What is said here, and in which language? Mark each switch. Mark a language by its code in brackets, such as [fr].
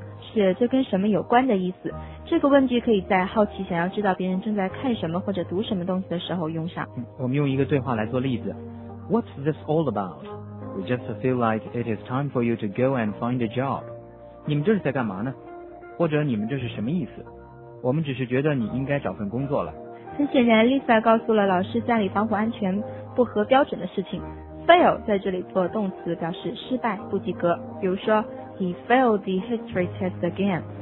[zh] 是这跟什么有关的意思。这个问题可以在好奇想要知道别人正在看什么或者读什么东西的时候用上。我们用一个对话来做例子。 [en] What's this all about？ We just feel like it is time for you to go and find a job。 [zh] 你们这是在干嘛呢？或者你们这是什么意思？我们只是觉得你应该找份工作了。很显然 ，Lisa 告诉了老师家里防火安全不合标准的事情。 Fail 在这里做动词，表示失败、不及格。比如说 ， [en] He failed the history test again.